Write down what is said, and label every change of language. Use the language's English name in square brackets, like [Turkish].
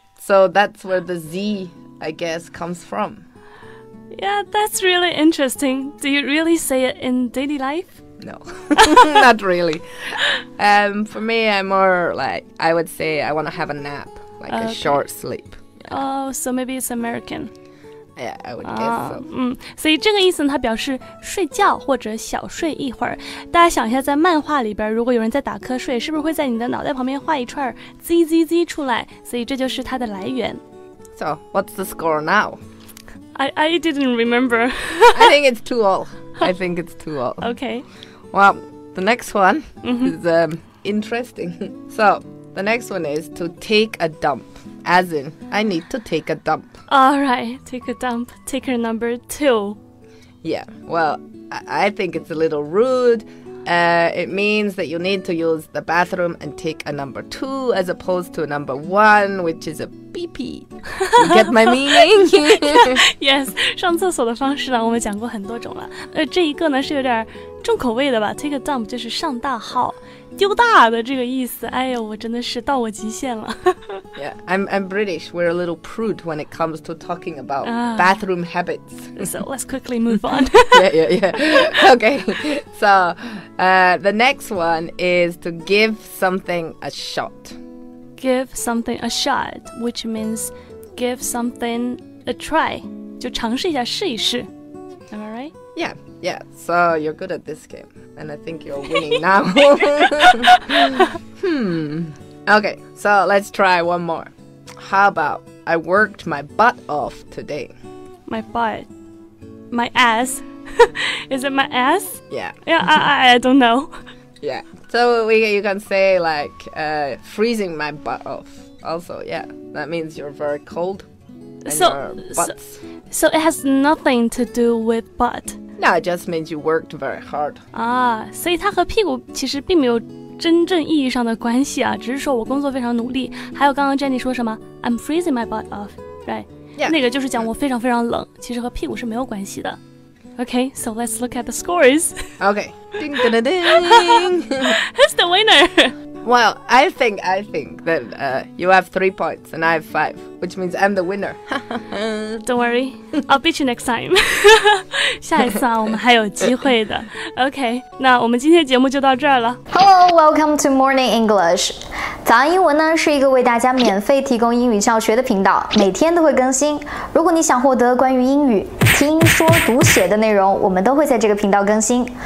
[English] So, that's where the Z, I guess, comes from. Yeah, that's really interesting. Do you really say it in daily life? No, not really. For me, I'm more like, I would say I want to have a nap, like a short sleep. Yeah. Oh, so maybe it's American. Yeah, I would guess so. [Chinese] 所以这个意思呢，它表示睡觉或者小睡一会儿。大家想一下，在漫画里边，如果有人在打瞌睡，是不是会在你的脑袋旁边画一串 Z Z Z 出来？所以这就是它的来源。 [English] So, what's the score now? I didn't remember. I think it's 2-all. I think it's 2-all. Okay. Well, the next one、mm-hmm. is interesting. So, the next one is to take a dump. As in, I need to take a dump. All right, take a dump. Taker number 2. Yeah, well, I think it's a little rude. It means that you need to use the bathroom and take a number 2 as opposed to a number 1, which is a [Chinese] 屁屁。 [English] You get my meaning? [Chinese] Yes, 上厕所的方式呢，我们讲过很多种了。这一个呢是有点重口味的吧 ？ Take a dump 就是上大号，丢大的这个意思。哎呦，我真的是到我极限了。 [English] Yeah, I'm British. We're a little prude when it comes to talking about bathroom habits. So let's quickly move on. yeah. Okay. So, the next one is to give something a shot. Give something a shot, which means give something a try. [Chinese] 就尝试一下试一试 Am I right? [English] Yeah. So you're good at this game. And I think you're winning now. Okay, so let's try one more. How about I worked my butt off today? My butt? My ass? Is it my ass? Yeah, I don't know. Yeah. So you can say like, freezing my butt off also, yeah. That means you're very cold and your butts. So it has nothing to do with butt. No, it just means you worked very hard. [Chinese] Ah, 所以它和屁股其实并没有真正意义上的关系啊，只是说我工作非常努力。 [English] 还有刚刚 Jenny 说什么 ,I'm freezing my butt off, right? Yeah. [Chinese] 那个就是讲我非常非常冷，其实和屁股是没有关系的。 [English] Okay, so let's look at the scores. Okay. Ding, ding, ding. Who's the winner? Well, I think that you have 3 points and I have 5, which means I'm the winner. Don't worry. I'll beat you next time. [Chinese] 下一次啊，我们还有机会的。 Okay, 那我们今天节目就到这儿了。 [English] Hello, welcome to Morning English. [Chinese] 早安英文呢是一个为大家免费提供英语教学的频道，每天都会更新。如果你想获得关于英语听说读写的内容，我们都会在这个频道更新。